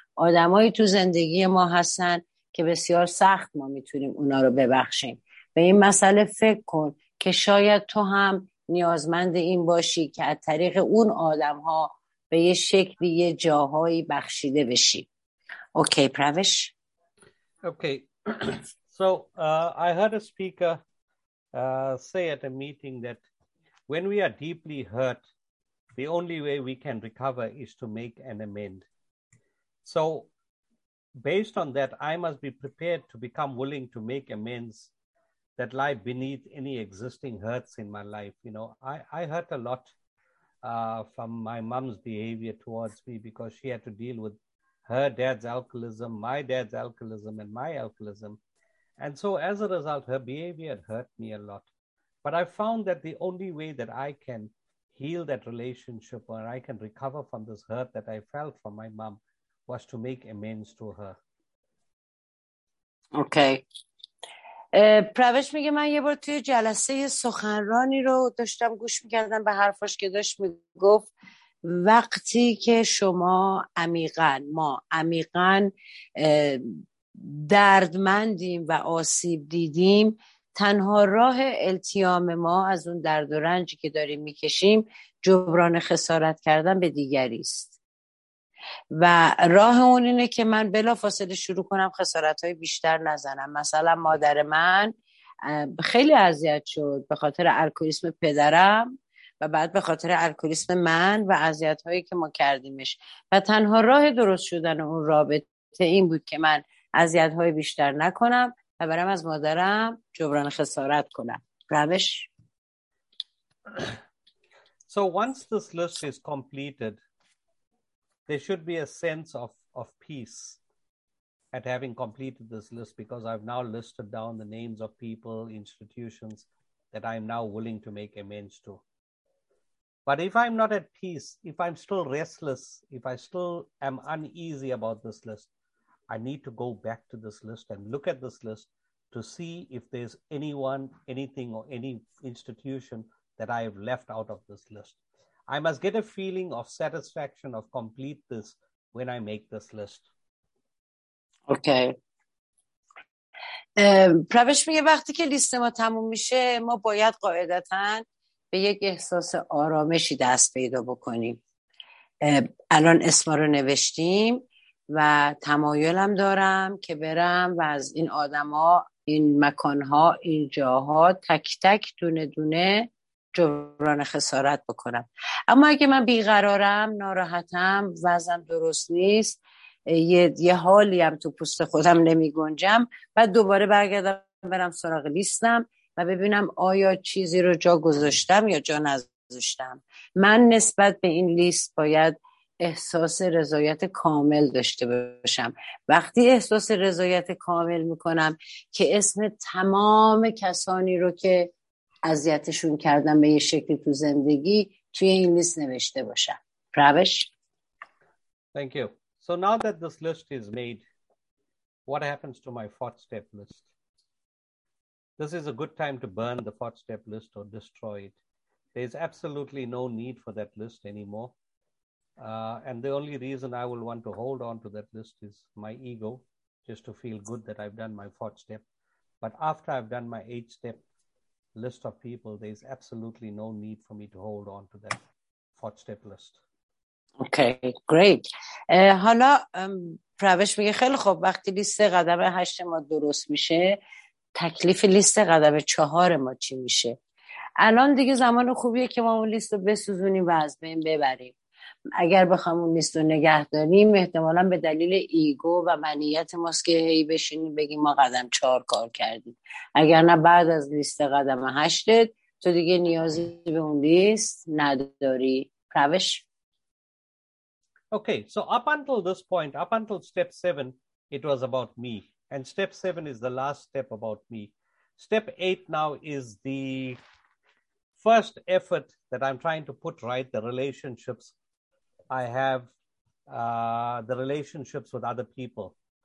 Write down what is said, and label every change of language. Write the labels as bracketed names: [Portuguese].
[Persian] آدمایی تو زندگی ما هستن که بسیار سخت ما میتونیم اونا رو ببخشیم. به این مسئله فکر کن که شاید تو هم نیازمند این باشی که از طریق اون آدم ها به یه شکلی یه جاهایی بخشیده بشی. اوکی پروش؟ [English] Okay. So I heard a speaker say at a meeting that when we are deeply hurt, the only way we can recover is to make an amend. So based on that, I must be prepared to become willing to make amends that lie beneath any existing hurts in my life. You know, I hurt a lot from my mom's behavior towards me, because she had to deal with her dad's alcoholism, my dad's alcoholism, and my alcoholism. And so as a result, her behavior hurt me a lot. But I found that the only way that I can heal that relationship, or I can recover from this hurt that I felt from my mom, was to make amends to her. Okay. [Persian] پروش میگه من یه بار توی جلسه سخنرانی رو داشتم گوش میکردم به حرفاش که داشت میگفت وقتی که شما عمیقاً ما عمیقاً دردمندیم و آسیب دیدیم، تنها راه التیام ما از اون درد و رنجی که داریم میکشیم جبران خسارت کردن به دیگری است، و راه اون اینه که من بلا فاصله شروع کنم خسارتهای بیشتر نزنم. مثلا مادر من خیلی اذیت شد به خاطر الکلیسم پدرم و بعد به خاطر الکلیسم من و اذیتهایی که ما کردیمش، و تنها راه درست شدن اون رابطه این بود که من اذیت های بیشتر نکنم و برم از مادرم جبران خسارت کنم. روش. [English] So once this list is completed, there should be a sense of peace at having completed this list, because I've now listed down the names of people, institutions that I'm now willing to make amends to. But if I'm not at peace, if I'm still restless, if I still am uneasy about this list, I need to go back to this list and look at this list to see if there's anyone, anything, or any institution that I have left out of this list. I must get a feeling of satisfaction of complete this when I make this list. Okay. [Persian] پروش میگه وقتی که لیست ما تموم میشه، ما باید قاعدتاً به یک احساس آرامشی دست پیدا بکنیم. الان اسم رو نوشتیم و تمایلم دارم که برم و از این آدم ها، این مکان ها، این جاها تک تک دونه دونه جبران خسارت بکنم. اما اگه من بیقرارم، ناراحتم، وزن درست نیست، یه حالی هم تو پوست خودم نمی گنجم، بعد دوباره برگردم برم سراغ لیستم و ببینم آیا چیزی رو جا گذاشتم یا جا نذاشتم. من نسبت به این لیست باید احساس رضایت کامل داشته باشم. وقتی احساس رضایت کامل میکنم که اسم تمام کسانی رو که اذیتشون کردم به یه شکلی تو زندگی توی این لیست نوشته باشم. پروش. [English] Thank you. So now that this list is made, what happens to my fourth step list? This is a good time to burn the fourth step list or destroy it. There's absolutely no need for that list anymore. And the only reason I will want to hold on to that list is my ego, just to feel good that I've done my fourth step. But after I've done my eighth step list of people, there's absolutely no need for me to hold on to that fourth step list. Okay, great. [Persian] حالا پروش میگه خیلی خوب وقتی لیست قدم هشت ما درست میشه تکلیف لیست قدم چهار ما چی میشه؟ الان دیگه زمان خوبیه که ما اون لیست رو بسوزونیم و از بین ببریم. اگر بخوام اون لیست رو نگه داریم احتمالا به دلیل ایگو و منیت ماست که هی بشینیم بگیم ما قدم چهار کار کردیم. اگر نه بعد از لیست قدم هشتت تو دیگه نیازی به اون لیست نداری. پروش؟ [English] Okay, so up until this point, up until step seven, it was about me. And step seven is the last step about me. Step eight now is the first effort that I'm trying to put right, the relationships I have, the relationships with other people.